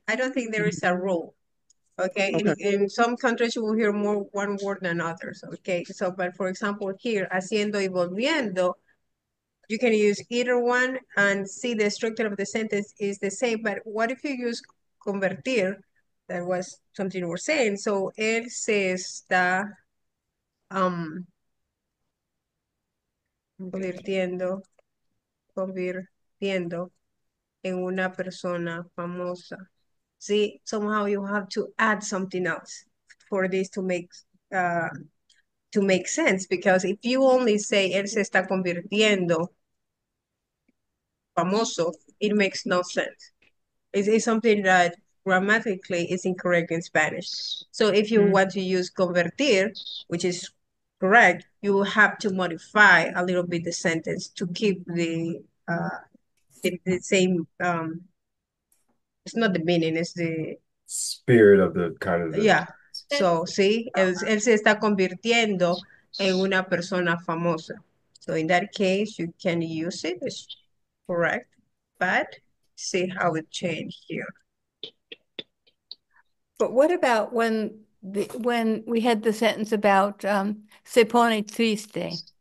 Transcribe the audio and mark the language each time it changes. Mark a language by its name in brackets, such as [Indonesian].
[English] I don't think there is a rule. Okay, Okay. in some countries you will hear more one word than others, okay? So, but for example, here, [Spanish] haciendo y volviendo, [English] you can use either one and see the structure of the sentence is the same. But what if you use convertir? That was something you were saying. [Spanish] So, él se está convirtiendo, en una persona famosa. [English] See, somehow you have to add something else for this to make sense. Because if you only say [Spanish] él se está convirtiendo famoso, [English] it makes no sense. It's something that grammatically is incorrect in Spanish. So if you want to use convertir, which is correct, you will have to modify a little bit the sentence to keep the same. It's not the meaning, it's the, Spirit of the kind of yeah. So, see, [Spanish] él se está convirtiendo en una persona famosa. [English] So in that case, you can use it, it's correct, but see how it changed here. But what about when we had the sentence about [Spanish] se pone triste?